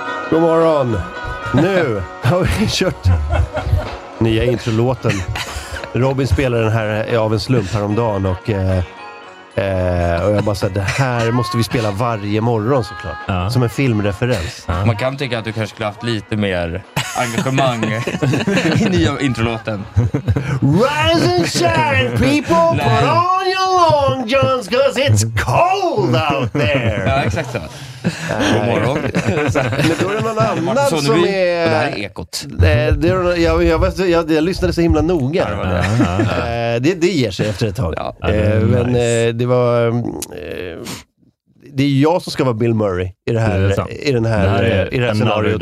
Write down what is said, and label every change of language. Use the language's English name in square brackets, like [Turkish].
[Swedish] God morgon. Nu har vi kört nya introlåten. Robin spelade den här av en slump häromdagen och jag bara såhär, det här måste vi spela varje morgon såklart. Ja. Som en filmreferens. Ja. Man kan tycka att du kanske skulle haft lite mer engagemang i nya introlåten. [English] Rise and shine people, put on your long johns cause it's cold out there. [Swedish] Ja, exakt så. God morgon. Men då är det någon annan som är... Det här är ekot. Jag lyssnade så himla noga. Det ger sig efter ett tag. Ja, men nice. Det var... Det är jag som ska vara Bill Murray i det här, det här scenariot.